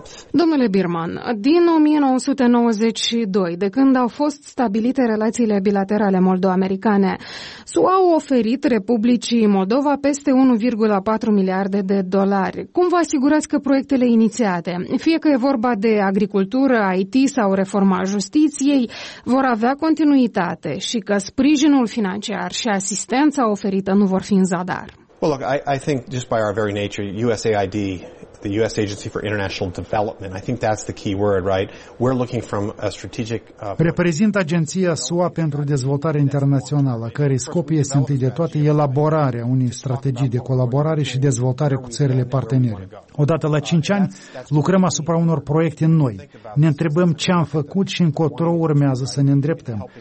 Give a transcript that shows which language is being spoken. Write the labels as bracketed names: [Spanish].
[Romanian] Domnule Birman, din 1992, de când au fost stabilite relațiile bilaterale moldo-americane, SUA au oferit Republicii Moldova peste 1,4 miliarde de dolari. Cum vă asigurați că proiectele inițiate, fie că e vorba de agricultură, IT sau reforma justiției, vor avea continuitate și că sprijinul financiar și asistența oferită nu vor fi în zadar? [English] Well, look, I think just by our very nature, USAID, the US Agency for International Development, I think that's the key word, right? We're looking from a strategic... [Romanian] Reprezint agenția SUA pentru dezvoltare internațională, cărei scop este întâi de toate elaborarea unei strategii de colaborare și dezvoltare cu țările partenere. Odată la 5 ani, lucrăm asupra unor proiecte noi. Ne întrebăm ce am făcut și încotro urmează să ne îndreptăm.